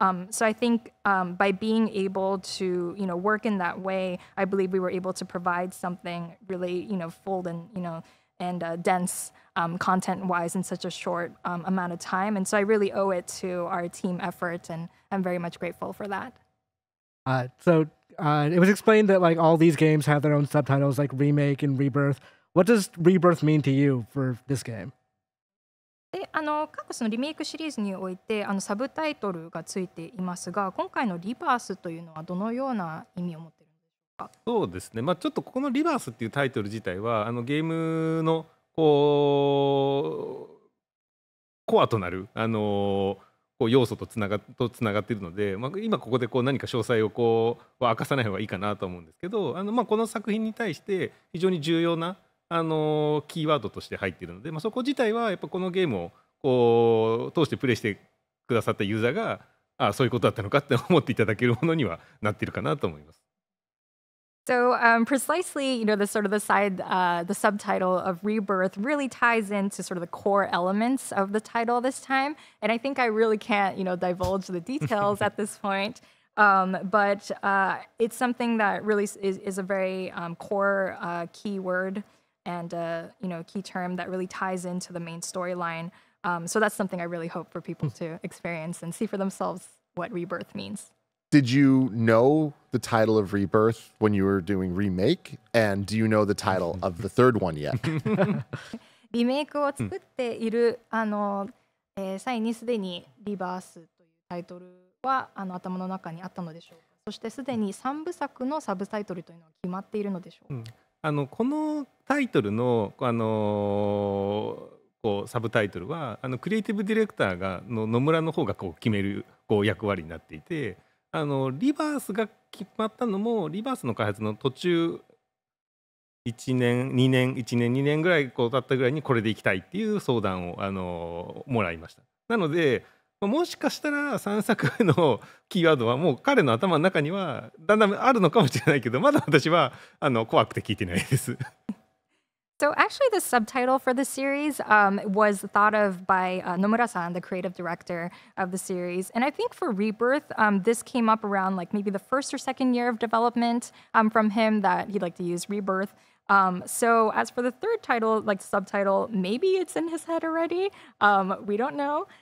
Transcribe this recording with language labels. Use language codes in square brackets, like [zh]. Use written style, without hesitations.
[en] So I think by being able to, you know, work in that way, I believe we were able to provide something really, you know, full and, you know, and dense content-wise in such a short amount of time. And so I really owe it to our team effort, and I'm very much grateful for that. So it was explained that, like, all these games have their own subtitles, like Remake and Rebirth. What does Rebirth mean to you for this game? [ja] で、各そのリメイクシリーズにおいてサブタイトルがついていますが、今回のリバースというのはどのような意味を持っているんでしょうか。そうですね、まあ、ちょっとここのリバースっていうタイトル自体はゲームのこうコアとなるこう要素とつながっているので、まあ、今ここでこう何か詳細をこう明かさない方がいいかなと思うんですけど、まあ、この作品に対して非常に重要なキーワードとして入っているので、まあ、そこ自体はやっぱこのゲームをこう通してプレイしてくださったユーザーが、ああそういうことだったのかって思っていただけるものにはなっているかなと思います。 [en] So, precisely, you know, the sort of the side, the subtitle of Rebirth really ties into sort of the core elements of the title this time. And I think I really can't, you know, divulge the details at this point. But it's something that really is a very core keyword. And you know, a key term that really ties into the main storyline. So that's something I really hope for people to experience and see for themselves what Rebirth means. did you know the title of Rebirth when you were doing Remake? And do you know the title of the third one yet? [ja] リメイクを作っている、うん、あの、際にすでにリバースというタイトルはあの頭の中にあったのでしょうか。そしてすでに3部作のサブタイトルというのは決まっているのでしょうか。うん、あのこのタイトル の, あのこうサブタイトルはあのクリエイティブディレクターがの野村の方がこう決めるこう役割になっていて、あのリバースが決まったのもリバースの開発の途中1年2年ぐらいこう経ったぐらいにこれでいきたいっていう相談をあのもらいました。なのでもしかしたら3作のキーワードはもう彼の頭の中にはだんだんあるのかもしれないけど、まだ私はあの怖くて聞いてないです。 [en] So actually the subtitle for the series、was thought of by、Nomura-san, the creative director of the series. And I think for Rebirth,、this came up around like maybe the first or second year of development、from him that he'd like to use Rebirth.、so as for the third title, like subtitle, maybe it's in his head already.、we don't know.